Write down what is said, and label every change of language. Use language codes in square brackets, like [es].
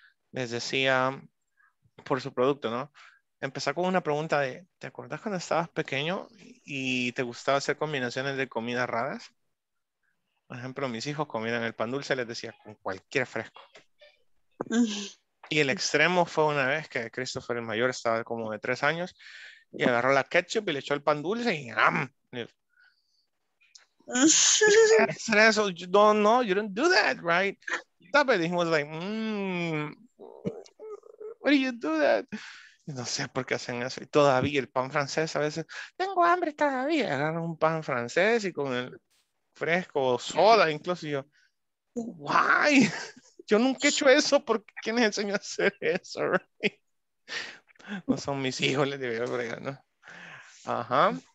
[es] Les decía por su producto, ¿no? Empezá con una pregunta de, ¿te acuerdas cuando estabas pequeño y te gustaba hacer combinaciones de comidas raras? Por ejemplo, mis hijos comían el pan dulce, les decía, con cualquier fresco. Y el extremo fue una vez que Christopher el mayor estaba como de 3 años y agarró la ketchup y le echó el pan dulce y ¡am! Eso, [en] you don't know, you don't do that, right? Stop it. He was like, why do you do that? [es] Y no sé por qué hacen eso. Y todavía el pan francés, a veces, tengo hambre todavía. Agarro un pan francés y con el fresco o soda, incluso yo, [en] why? [es] Yo nunca he hecho eso, ¿por qué? ¿Quién les enseñó a hacer eso? No son mis hijos, les debía fregar, ¿no? Ajá.